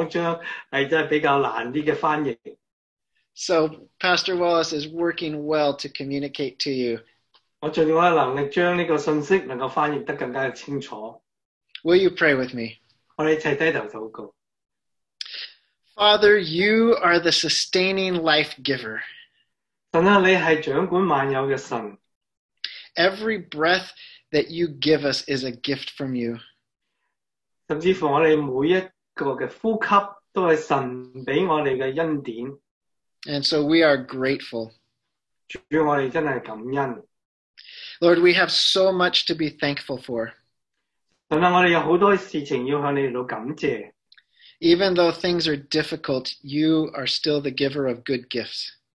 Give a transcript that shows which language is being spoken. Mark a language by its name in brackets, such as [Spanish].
[Chinese] 这个星期这个讲章是比较难的翻译。 [English] So Pastor Wallace is working well to communicate to you. [Chinese] 我尽我的能力将这个信息能够翻译得更加清楚。 [English] Will you pray with me? [Chinese] 我们一起低头祷告。 [English] Father, you are the sustaining life giver. [Chinese] 神啊，你是掌管万有的神。 [English] Every breath that you give us is a gift from you. [Chinese] 甚至乎我们每一个的呼吸都是神给我们的恩典。 [English] And so we are grateful. [Chinese] 主，我们真的感恩。 [English] Lord, we have so much to be thankful for. [Chinese] 神啊，我们有很多事情要向你感谢。 [English] Even though things are difficult, you are still the giver of good gifts.